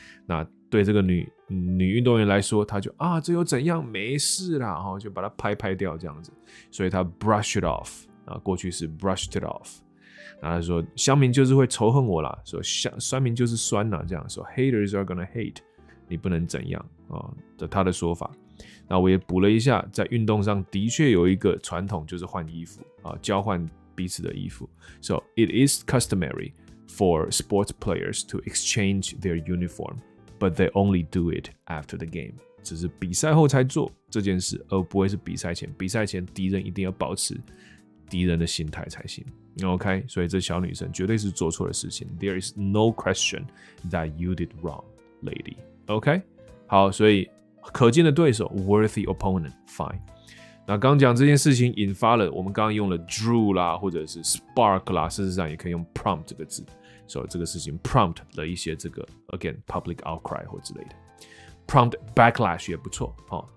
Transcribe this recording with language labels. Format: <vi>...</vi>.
<zh>那对这个女运动员来说，他就啊，这又怎样，没事啦，就把它拍拍掉这样子，所以他</zh> <en>brush it off，</en> <zh>过去是</zh> <en>brushed it off。</en> <zh>那他说乡民就是会仇恨我啦，说酸民就是酸啦，这样说</zh> <en>haters are gonna hate，</en> <zh>你不能怎样啊，这他的说法。那我也补了一下，在运动上的确有一个传统，就是换衣服啊，交换彼此的衣服。</zh> <en>So it is customary for sports players to exchange their uniform， but they only do it after the game，</en> <zh>只是比赛后才做这件事，而不会是比赛前。比赛前敌人一定要保持敌人的心态才行。 OK， 所以这小女生绝对是做错了事情。</zh> <en>There is no question that you did wrong, lady.</en> <zh>OK， 好，所以可敬的对手 ，</zh> <en>worthy opponent，</en> <zh>fine。那刚讲这件事情引发了，我们刚刚用了 drew 啦，或者是 spark 啦，事实上也可以用 prompt 这个字。所以这个事情 prompt 了一些这个</zh> <en>again public outcry</en> <zh>或之类的 ，</zh> <en>prompt backlash</en> <zh>也不错哈、哦。</zh>